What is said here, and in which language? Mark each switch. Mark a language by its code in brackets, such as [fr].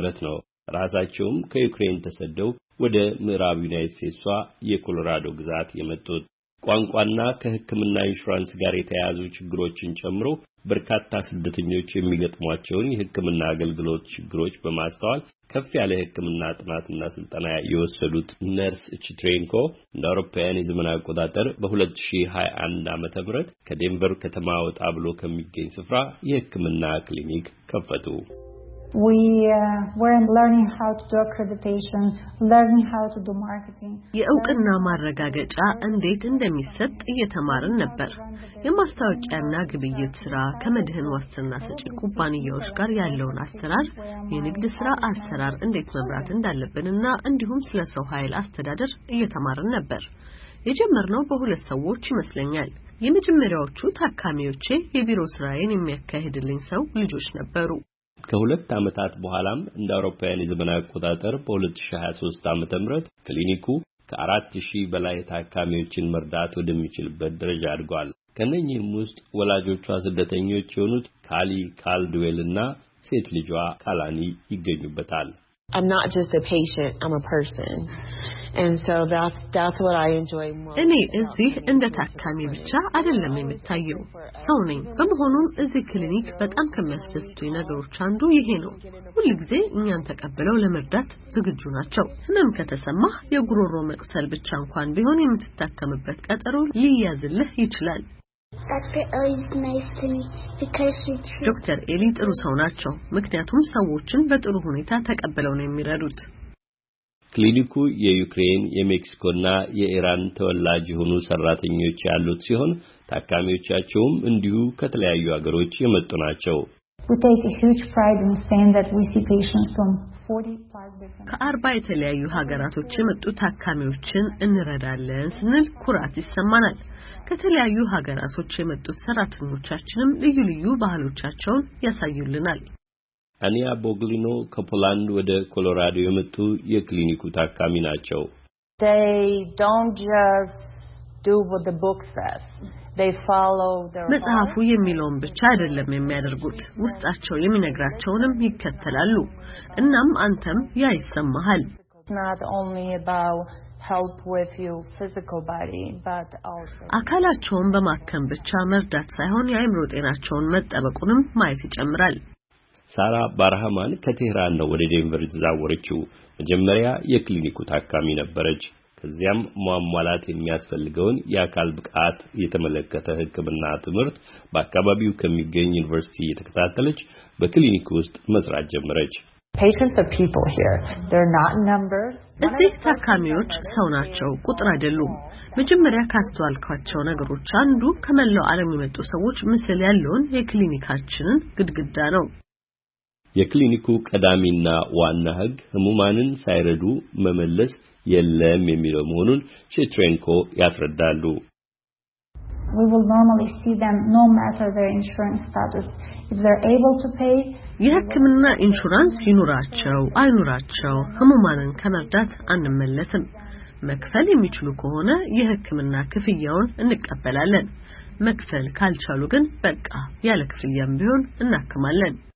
[am] ነው ራሳቸውም ከዩክሬን ተሰደው ወደ ምዕራብ ዩናይትድ ስቴትሷ የኮሎራዶ ግዛት የመጡት። ቋንቋና ከህክምና ኢንሹራንስ ጋር የተያያዙ ችግሮችን ጨምሮ በርካታ ስደተኞች የሚገጥሟቸውን የህክምና አገልግሎት ችግሮች በማስተዋል ከፍ ያለ የህክምና ጥናትና ስልጠና የወሰዱት ነርስ ቺትሬንኮ እንደ አውሮፓውያን የዘመን አቆጣጠር በ2021 ዓ.ም ከዴንቨር ከተማ ወጣ ብሎ ከሚገኝ ስፍራ የህክምና ክሊኒክ ከፈቱ። [en] We were learning how to do accreditation, learning how to do marketing. [am] የእውቅና ማረጋገጫ እንዴት እንደሚሰጥ እየተማርን ነበር። የማስታወቂያና ግብይት ስራ፣ ከመድህን ዋስትና ሰጪ ኩባንያዎች ጋር ያለውን አሰራር፣ የንግድ ስራ አሰራር እንዴት መምራት እንዳለብንና እንዲሁም ስለ ሰው ኃይል አስተዳደር እየተማርን ነበር። የጀመርነው በሁለት ሰዎች ይመስለኛል። የመጀመሪያዎቹ ታካሚዎቼ የቢሮ ስራዬን የሚያካሂድልኝ ሰው ልጆች ነበሩ። ከሁለት አመታት በኋላም እንደ አውሮፓውያን የዘመን አቆጣጠር በ2023 ዓ.ም ክሊኒኩ ከ4000 በላይ ታካሚዎችን መርዳት ወደሚችልበት ደረጃ አድጓል። ከነኚህም ውስጥ ወላጆቿ ስደተኞች የሆኑት ካሊ ካልድዌልና ሴት ልጇ ካላኒ ይገኙበታል። [en] I'm not just a patient, I'm a person. And so that's what I enjoy most. [am] እኔ እዚህ እንደ ታካሚ ብቻ አይደለም የምታየው፣ ሰው ነኝ። በመሆኑም እዚህ ክሊኒክ በጣም ከመስተስቱኝ ነገሮች አንዱ ይሄ ነው። ሁልጊዜ እኛን ተቀብለው ለመርዳት ዝግጁ ናቸው። ህመም ከተሰማህ የጉሮሮ መቅሰል ብቻ እንኳን ቢሆን የምትታከምበት ቀጠሮ ሊያዝልህ ይችላል። ዶክተር ኤሊ ጥሩ ሰው ናቸው፣ ምክንያቱም ሰዎችን በጥሩ ሁኔታ ተቀብለው ነው የሚረዱት። ክሊኒኩ የዩክሬን፣ የሜክሲኮና የኢራን ተወላጅ የሆኑ ሰራተኞች ያሉት ሲሆን ታካሚዎቻቸውም እንዲሁ ከተለያዩ አገሮች የመጡ ናቸው። [en] We take a huge pride in saying that we see patients from 40+ [am] ከ40 የተለያዩ ሀገራቶች የመጡ ታካሚዎችን እንረዳለን ስንል ኩራት ይሰማናል። ከተለያዩ ሀገራቶች የመጡት ሰራተኞቻችንም ልዩ ልዩ ባህሎቻቸውን ያሳዩልናል። አኒያ ቦግሊኖ ከፖላንድ ወደ ኮሎራዶ የመጡ የክሊኒኩ ታካሚ ናቸው። [en] They don't just do what the book says. They follow their [am] መጽሐፉ የሚለውን ብቻ አይደለም የሚያደርጉት፣ ውስጣቸው የሚነግራቸውንም ይከተላሉ። እናም አንተም ያ ይሰማሃል። [en] Not only about help with your physical body but also [am] አካላቸውን በማከም ብቻ መርዳት ሳይሆን የአእምሮ ጤናቸውን መጠበቁንም ማየት ይጨምራል። ሳራ ባርሃማን ከቴህራን ነው ወደ ዴንቨር ተዛወረችው። መጀመሪያ የክሊኒኩ ታካሚ ነበረች። ከዚያም ሟሟላት የሚያስፈልገውን የአካል ብቃት የተመለከተ ሕክምና ትምህርት በአካባቢው ከሚገኝ ዩኒቨርሲቲ እየተከታተለች በክሊኒኩ ውስጥ መስራት ጀመረች። [en] Patients are people here. They're not numbers. [am] እዚህ ታካሚዎች ሰው ናቸው፣ ቁጥር አይደሉም። መጀመሪያ ካስተዋልኳቸው ነገሮች አንዱ ከመላው ዓለም የመጡ ሰዎች ምስል ያለውን የክሊኒካችንን ግድግዳ ነው። የክሊኒኩ ቀዳሚና ዋና ህግ ህሙማንን ሳይረዱ መመለስ የለም የሚለው መሆኑን ሽትሬንኮ ያስረዳሉ። [en] We will normally see them no matter their insurance status. If they're able to pay, [am] የህክምና ኢንሹራንስ ይኑራቸው አይኑራቸው ህሙማንን ከመርዳት አንመለስም። መክፈል የሚችሉ ከሆነ የህክምና ክፍያውን እንቀበላለን። መክፈል ካልቻሉ ግን በቃ ያለ ክፍያም ቢሆን እናከማለን።